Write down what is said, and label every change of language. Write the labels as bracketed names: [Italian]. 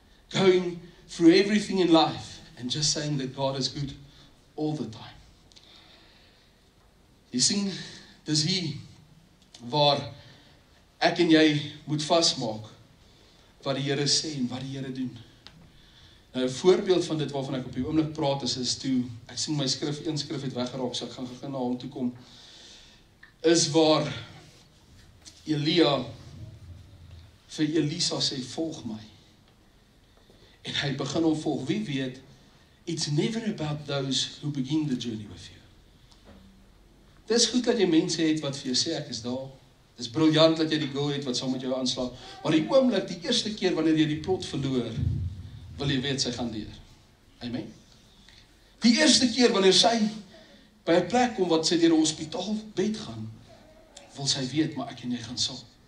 [English] Going through everything in life and just saying that God is good all the time. [Afrikaans] Jy sien, dis hier waar ek en jy moet vasmaak wat die Here sê en wat die Here doen. Nou, 'n voorbeeld van dit waarvan ek op die oomblik praat is toe, ek sien my skrif, een skrif het weggeraak, so ek gaan gegaan na hom toe kom, is waar Elia vir Elisa sê, volg my. En hy begin om volg. Wie weet, [English] it's never about those who begin the journey with you. [Afrikaans] Dis goed dat jy mense het wat vir jou sê, ek is daar. Dis briljant dat jy die girl het wat saam met jou aanslaap. Maar die oomblik, die eerste keer wanneer jy die plot verloor, wil jy weet, sy gaan deur. Amen. Die eerste keer wanneer sy by 'n plek kom wat sy deur 'n hospitaal bed gaan, wil sy weet, maar ek en jy gaan saam.